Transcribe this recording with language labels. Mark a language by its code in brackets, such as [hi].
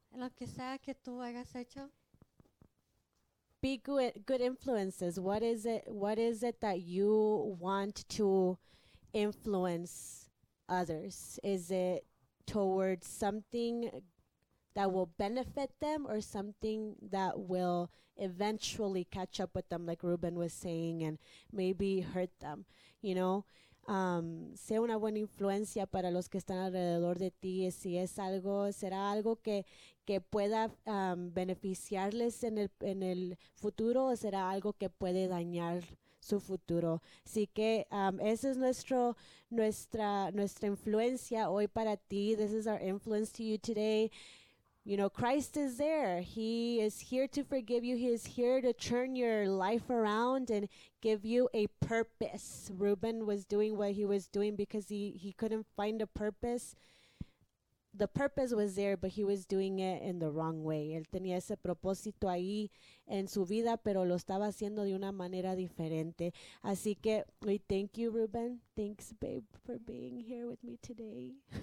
[es] en lo que sea que tú hayas hecho, [en] be good influences. What is it that you want to influence others? Is it towards something that will benefit them or something that will eventually catch up with them, like Ruben was saying, and maybe hurt them, you know? [es] Sea una buena influencia para los que están alrededor de ti, si es algo, será algo que pueda beneficiarles en el futuro o será algo que puede dañar su futuro. Así que esa es nuestra influencia hoy para ti. [en] This is our influence to you today. You know, Christ is there. He is here to forgive you. He is here to turn your life around and give you a purpose. Reuben was doing what he was doing because he couldn't find a purpose. The purpose was there, but he was doing it in the wrong way. [es] Él tenía ese propósito ahí en su vida, pero lo estaba haciendo de una manera diferente. Así que, [en] we thank you, Reuben. Thanks, babe, for being here with me today.